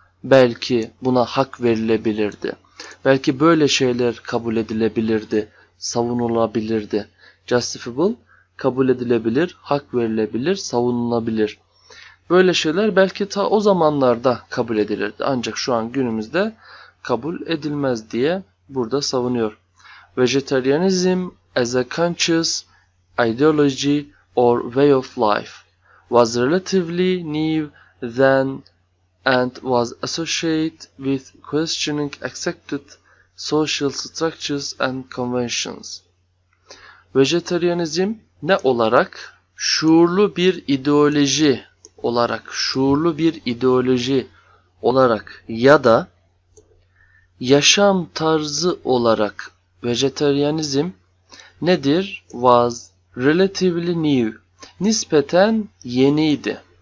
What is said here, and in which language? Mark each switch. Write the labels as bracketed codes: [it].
[tr] Belki buna hak verilebilirdi. Belki böyle şeyler kabul edilebilirdi, savunulabilirdi. Justifiable, kabul edilebilir, hak verilebilir, savunulabilir. Böyle şeyler belki ta o zamanlarda kabul edilirdi. Ancak şu an günümüzde kabul edilmez diye burada savunuyor. [en] Vegetarianism as a conscious ideology or way of life was relatively new then and was associated with questioning accepted social structures and conventions. [tr] Vegetarianism ne olarak? Şuurlu bir ideoloji olarak, şuurlu bir ideoloji olarak ya da yaşam tarzı olarak vejetaryenizm nedir? [en] Was relatively new. [tr] Nispeten yeniydi.